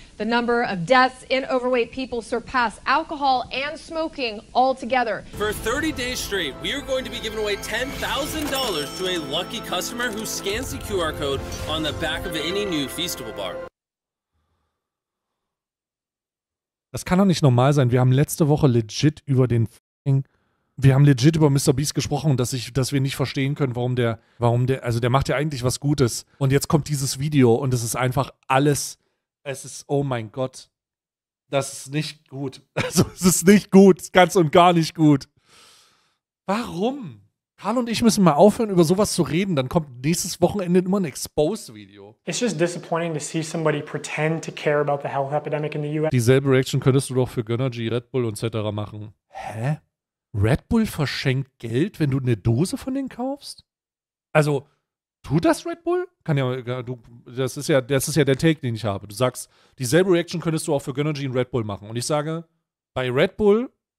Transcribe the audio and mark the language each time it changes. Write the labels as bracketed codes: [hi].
[en] The number of deaths in overweight people surpass alcohol and smoking altogether. For 30 days straight, we are going to be giving away $10,000 to a lucky customer who scans the QR code on the back of any new Feastable bar. [de] Das kann doch nicht normal sein. Wir haben letzte Woche legit über den f***ing, wir haben legit über Mr. Beast gesprochen, dass wir nicht verstehen können, also der macht ja eigentlich was Gutes. Und jetzt kommt dieses Video und es ist einfach alles, es ist, oh mein Gott, das ist nicht gut. Also es ist nicht gut, ganz und gar nicht gut. Warum? Karl und ich müssen mal aufhören, über sowas zu reden. Dann kommt nächstes Wochenende immer ein Exposed-Video. [en] It's just disappointing to see somebody pretend to care about the health epidemic in the US. [de] Dieselbe Reaction könntest du doch für Gönnergy, Red Bull etc. machen. Hä? Red Bull verschenkt Geld, wenn du eine Dose von denen kaufst? Also, tut das Red Bull? Kann ja, du, das ist ja der Take, den ich habe. Du sagst, dieselbe Reaction könntest du auch für Gönnergy und Red Bull machen. Und ich sage, bei Red Bull